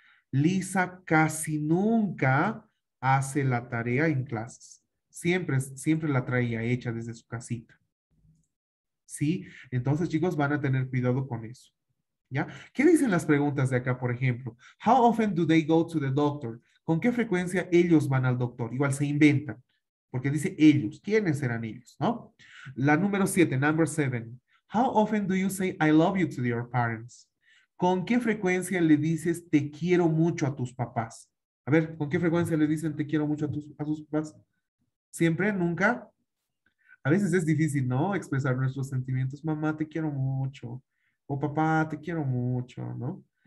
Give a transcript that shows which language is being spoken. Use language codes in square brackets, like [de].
[es] Lisa casi nunca hace la tarea en clases. Siempre la traía hecha desde su casita. ¿Sí? Entonces, chicos, van a tener cuidado con eso. ¿Ya? ¿Qué dicen las preguntas de acá, por ejemplo? [en] How often do they go to the doctor? [es] ¿Con qué frecuencia ellos van al doctor? Igual se inventan, porque dice ellos. ¿Quiénes serán ellos? ¿No? La número 7, [en] number 7. How often do you say I love you to your parents? [es] ¿Con qué frecuencia le dices te quiero mucho a tus papás? A ver, ¿con qué frecuencia le dicen te quiero mucho a sus papás? ¿Siempre? ¿Nunca? A veces es difícil, ¿no? Expresar nuestros sentimientos. Mamá, te quiero mucho. O papá, te quiero mucho, ¿no?